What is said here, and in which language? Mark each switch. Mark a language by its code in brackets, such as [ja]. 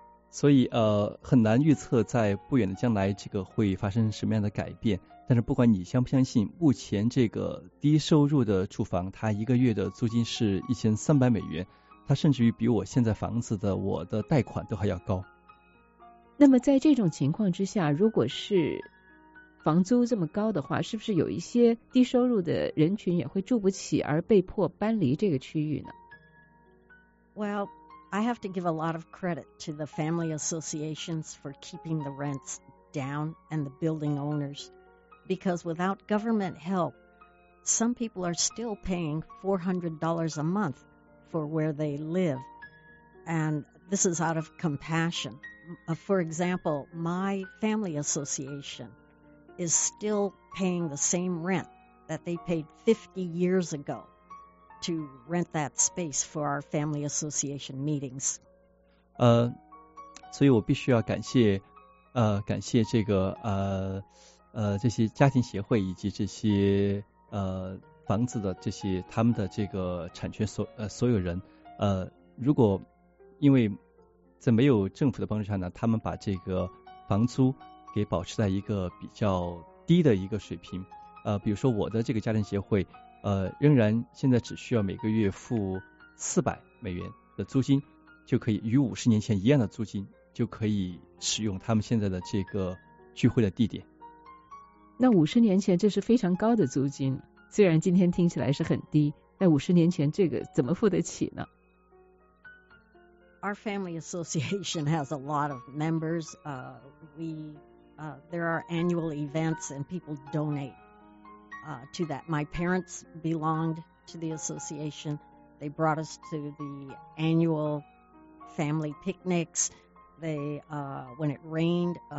[zh] So, 很难预测在不远的将来这个会发生什么样的改变，但是不管你相不相信，目前这个低收入的住房它一个月的租金是$1,300，它甚至于比我现在房子的我的贷款都还要高。那么在这种情况之下，如果是房租这么高的话，是不是有一些低收入的人群也会住不起而被迫搬离这个区域呢？ [en] Well,I have to give a lot of credit to the family associations for keeping the rents down and the building owners, because without government help, some people are still paying $400 a month for where they live. And this is out of compassion. For example, my family association is still paying the same rent that they paid 50 years ago. To rent that space for our family association meetings. [zh] 所以我必须要感谢这个这些家庭协会以及这些房子的这些他们的这个产权所有人。如果因为在没有政府的帮助下呢，他们把这个房租给保持在一个比较低的一个水平。比如说我的这个家庭协会。仍然现在只需要每个月付$400的租金，就可以与50年前一样的租金，就可以使用他们现在的这个聚会的地点。那50年前这是非常高的租金，虽然今天听起来是很低，但50年前这个怎么付得起呢？ [en] Our family association has a lot of members. There are annual events and people donate. To that. My parents belonged to the association. They brought us to the annual family picnics. When it rained,